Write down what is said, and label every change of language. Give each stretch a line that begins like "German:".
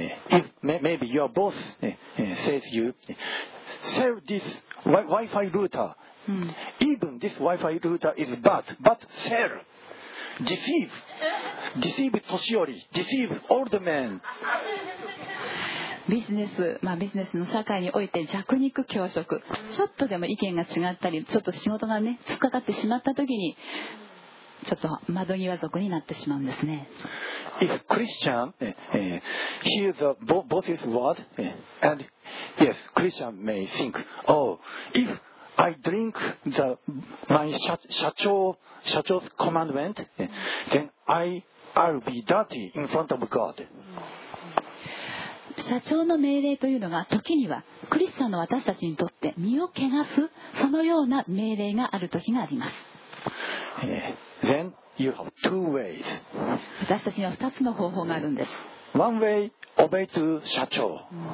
English: If maybe your boss says you sell this Wi-Fi router, even this Wi-Fi router is bad, but sell, deceive, deceive
Japanese: 年寄り、
English: deceive old man.
Japanese: ビジネス、まあ、ビジネスの社会において弱肉強食、ちょっとでも意見が違ったり、ちょっと仕事がね、突っかかってしまった時に、ちょっと窓際族になってしまうんですね。
English: If Christian hears the boss's word and yes, Christian may think, oh, if I drink the, my
Japanese: 社長's
English: commandment, then I'll be dirty in front of God.
Japanese: 社長の命令というのが時にはクリスチャンの私たちにとって身を汚す、そのような命令がある時があります。
English: Then you have two ways.
Japanese: 私たちには二つの方法があるんです。
English: One way, obey to
Japanese: 社長。